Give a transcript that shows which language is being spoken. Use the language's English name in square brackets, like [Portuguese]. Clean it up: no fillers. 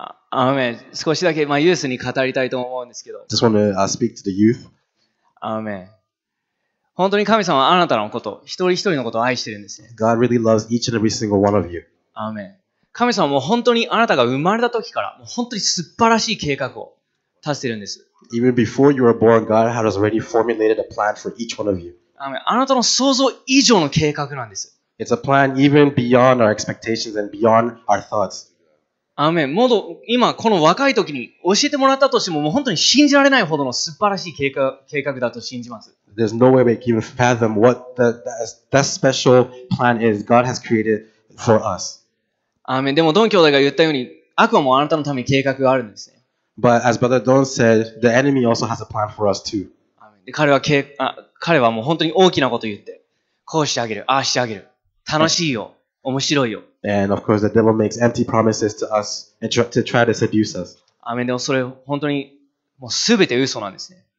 [Japanese] あめ、少しだけ、まあ、ユースに語りたいと思うんですけど。 [English] Just want to speak to the youth. [Japanese] あめ。本当に神様はあなたのこと、一人一人のことを愛してるんですね。 [English] God really loves each and every single one of you. [Japanese] あめ。神様も本当にあなたが生まれた時から、もう本当に素晴らしい計画を立ててるんです。 [English] Even before you were born, God had already formulated a plan for each one of you. [Japanese] あめ。あなたの想像以上の計画なんです。 [English] It's a plan even beyond our expectations and beyond our thoughts. [Japanese] アーメン。もう今この若い時に教えてもらったとしても、もう本当に信じられないほどの素晴らしい計画だと信じます。 [English] There's no way we can even fathom what that special plan is God has created for us. [Japanese] アーメン。でもドン兄弟が言ったように、悪魔もあなたのために計画があるんですね。 [English] But as Brother Don said, the enemy also has a plan for us too. [Japanese] アーメン。で、彼はもう本当に大きなことを言って、こうしてあげる、ああしてあげる、楽しいよ、面白いよ。 [English] And of course, the devil makes empty promises to us and to try to seduce us. [Japanese] アメン。でもそれ本当にもうすべて嘘なんですね。